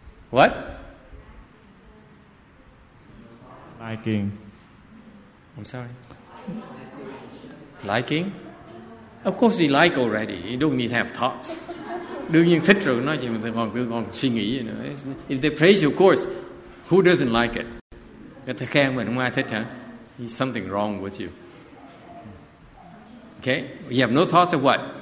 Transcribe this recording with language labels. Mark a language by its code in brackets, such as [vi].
[en] What? Liking. I'm sorry. Liking? Of course you like already. You don't need to have thoughts. [vi] Đương nhiên thích rồi, nói chuyện mình còn suy nghĩ. [en] You know. If they praise you, of course, who doesn't like it? [vi] Người ta khen mình, không ai thích hả? [en] There's something wrong with you. Okay? You have no thoughts of what?